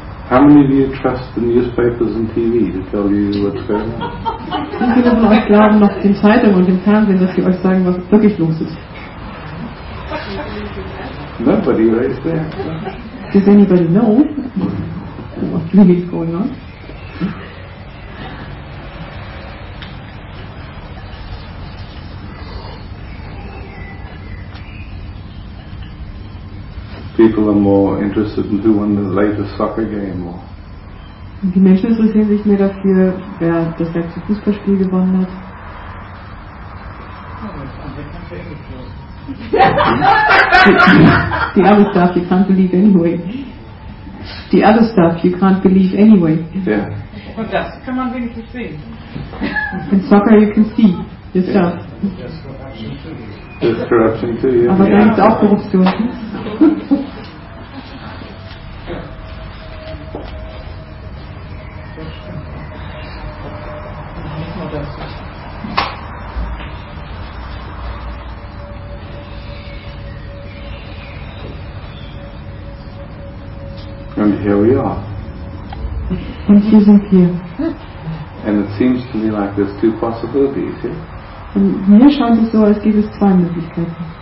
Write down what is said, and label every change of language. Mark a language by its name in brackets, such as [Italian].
[English] How many of you trust the newspapers and TV to tell you what's going on? [German] Wie viele von euch glauben noch den Zeitungen und dem Fernsehen, dass sie euch sagen, was wirklich los ist? [English] Nobody right there. Does anybody know what really is going on? People are more interested in who won the latest soccer game or [German] die Menschen interessieren sich mehr dafür, wer das letzte Fußballspiel gewonnen hat. [English] The other stuff you can't believe anyway. The other stuff you can't believe anyway. Yeah. [German] Und das kann man wenigstens sehen. [English] In soccer you can see yourself. There's corruption too. There's corruption too, [German] yeah. Aber da gibt auch Korruption. [English] Here we are. And she's up here. And it seems to me like there's two possibilities here. [German] Und mir scheint es so, als gäbe es zwei Möglichkeiten.